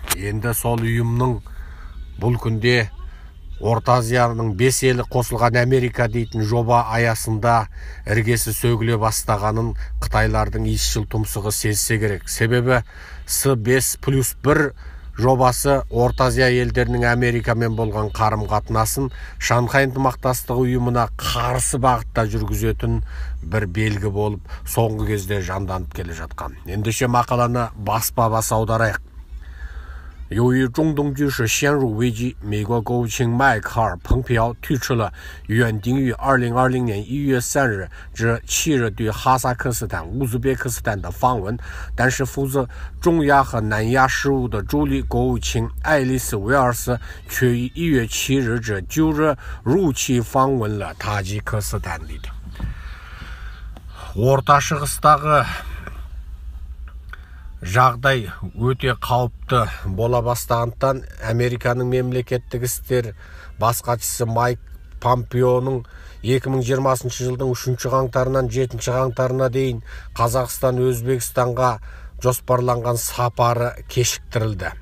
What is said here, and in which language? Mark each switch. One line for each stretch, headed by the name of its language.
Kazakh: Енді сол ұйымның бұл күнде Орта Азияның 5 елі қосылған Америка дейтін жоба аясында іргесі сөгіле бастағанын қытайлардың исшіл тұмсығы сезсе керек. Себебі С5+1 жобасы Орта Азия елдерінің Америкамен болған қарым-қатынасын Шанхай ынтымақтастығы ұйымына қарсы бағытта жүргізетін бір белгі болып, соңғы кезде жанданып келе жатқан. Ендеше мақаланы баспа-бас аударайық.
Chinese: 由于中东局势陷入危机，美国国务卿迈克尔·蓬佩奥推迟了原定于 2020 年 1月 3日 至 7日 对哈萨克斯坦、乌兹别克斯坦的访问，但是负责中亚和南亚事务的助理国务卿爱丽丝·维尔斯却于 1月 7日 至 9日 如期访问了塔吉克斯坦里的。我打是个斯大哥。
Kazakh: жағдай өте қауіпті бола бастағандықтан Американың мемлекеттік істер бас хатшысы Майк Помпеоның 2020 жылдың 3 қаңтарынан 7 қаңтарына дейін Қазақстан Өзбекстанға жоспарланған сапары кешіктірілді.